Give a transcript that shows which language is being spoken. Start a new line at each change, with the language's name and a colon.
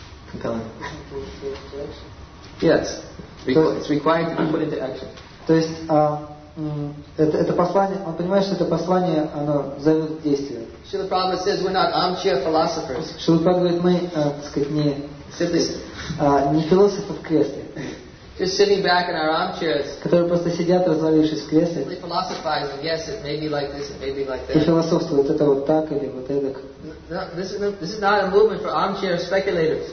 English: Compelling. Yes. It's required to be put into action.
Russian: То есть, это послание, он понимает, что это послание, оно зовет к действию.
English: Шрила Прабхупада says we're not armchair philosophers.
Russian: Шрила Прабхупада говорит, мы, так сказать, не философы в кресле.
English: Just sitting back in our armchairs.
Russian: Которые просто сидят, развалившись в кресле.
English: They philosophize, and yes, it may be like this, it may be like that.
Russian: И философствуют, это вот так или вот эдак.
English: This is not a movement for armchair speculators.